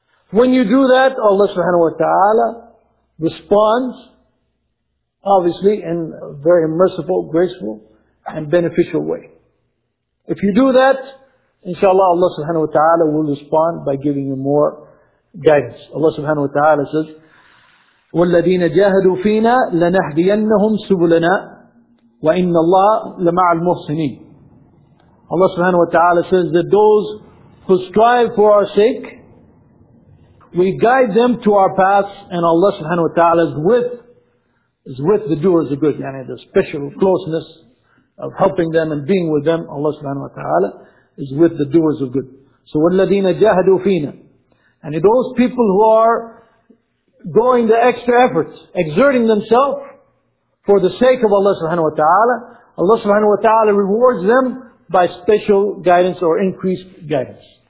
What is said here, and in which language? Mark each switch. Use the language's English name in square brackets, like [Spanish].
[English] When you do that, Allah subhanahu wa ta'ala responds, obviously, in a very merciful, graceful, and beneficial way. If you do that, inshallah, Allah subhanahu wa ta'ala will respond by giving you more guidance. Allah subhanahu wa ta'ala says, [Arabic] وَالَّذِينَ جَاهَدُوا فِينَا لَنَهْدِيَنَّهُمْ سُبُلَنَا وَإِنَّ اللَّهَ لَمَعَ الْمُحْسِنِينَ. [English] Allah subhanahu wa ta'ala says that those who strive for our sake, we guide them to our paths, and Allah subhanahu wa ta'ala is with the doers of good. Yani the special closeness of helping them and being with them, Allah subhanahu wa ta'ala is with the doers of good. [Arabic] So وَالَّذِينَ جَاهَدُوا فِينَا. [English] And those people who are going the extra efforts, exerting themselves for the sake of Allah subhanahu wa ta'ala, Allah subhanahu wa ta'ala rewards them by special guidance or increased guidance.